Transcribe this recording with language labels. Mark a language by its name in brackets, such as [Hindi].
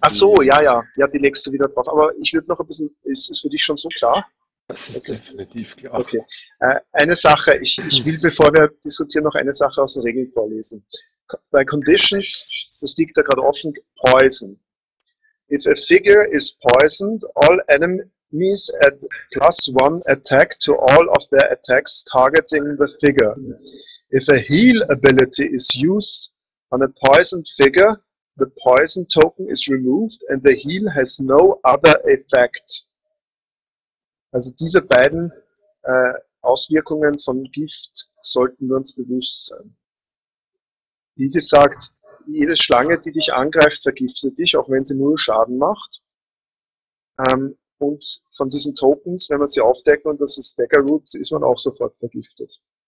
[German] Ach so, die. ja, die legst du wieder drauf. Aber ich würde noch ein bisschen, ist es für dich schon so klar? Das ist Okay. definitiv klar. Okay. Eine Sache, ich will, bevor wir diskutieren, noch eine Sache aus den Regeln vorlesen. Bei Conditions, das liegt da gerade offen, Poison. [English] If a figure is poisoned, all enemies add +1 attack to all of their attacks targeting the figure. If a heal ability is used on a poisoned figure, the poison token is removed and the heal has no other effect. [German] Also diese beiden Auswirkungen von Gift sollten wir uns bewusst sein. Wie gesagt, jede Schlange, die dich angreift, vergiftet dich, auch wenn sie nur Schaden macht. Und von diesen Tokens, wenn man sie aufdeckt und das ist Dagger Roots, ist man auch sofort vergiftet.